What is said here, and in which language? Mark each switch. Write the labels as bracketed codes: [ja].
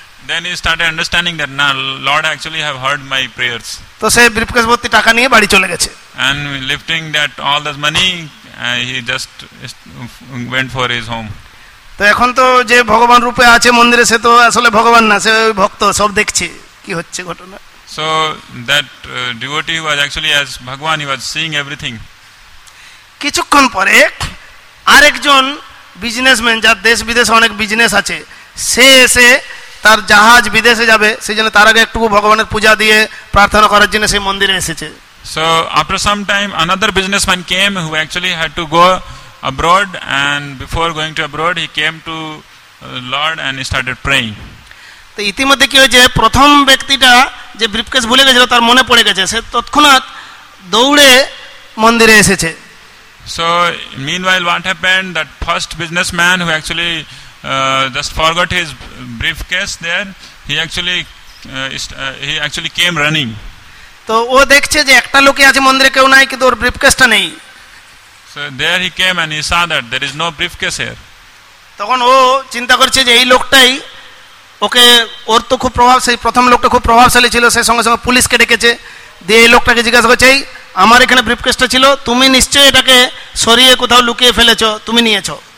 [en] Then he started understanding that now Lord actually have heard my prayers. [bn] তো সে briefcase ভর্তি টাকা নিয়ে বাড়ি চলে গেছে। [en] And lifting that all this money, he just went for his home. [bn] তো এখন তো যে ভগবান রূপে আছে মন্দিরে, সে তো আসলে ভগবান না, সে ভক্ত, সব দেখছে কি হচ্ছে ঘটনা। [en] So that devotee was actually as Bhagwan, he was seeing everything. [bn] কিছুক্ষণ পরে আরেকজন বিজনেসম্যান যার দেশ বিদেশে অনেক বিজনেস আছে, সে এসে তার জাহাজ বিদেশে যাবে, সেই জন্য তার আগে একটু ভগবানের পূজা দিয়ে প্রার্থনা করার জন্য সেই মন্দিরে এসেছে। [en] So after some time another businessman came who actually had to go abroad, and before going to abroad he came to Lord and he started praying. [bn] তো ইতিমধ্যে কি হয়েছে, প্রথম ব্যক্তিটা যে ব্রিফকেস ভুলে গেছিল তার মনে পড়ে গেছে, সে তৎক্ষণাৎ দৌড়ে মন্দিরে এসেছে। [en] So meanwhile what happened, that first businessman who actually just forgot his briefcase there. He actually came running. [bn] তো ও দেখছে যে একটা লোকই আছে মন্দিরে, কেউ নাই, কিন্তু ওর ব্রিফকেসটা নেই. [en] So there he came and he saw that there is no briefcase here. [bn] তখন ও চিন্তা করছে যে এই লোকটাই ওকে, ওর তো খুব প্রভাবশালী, প্রথম লোকটা খুব প্রভাবশালী ছিল, সেই সঙ্গে সঙ্গে পুলিশকে ডেকেছে, দিয়ে এই লোকটাকে জিজ্ঞাসা করছে আমার এখানে ব্রিফকেসটা ছিল, তুমি নিশ্চয়ই এটাকে সরিয়ে কোথাও লুকিয়ে ফেলেছো, তুমি নিয়েছো.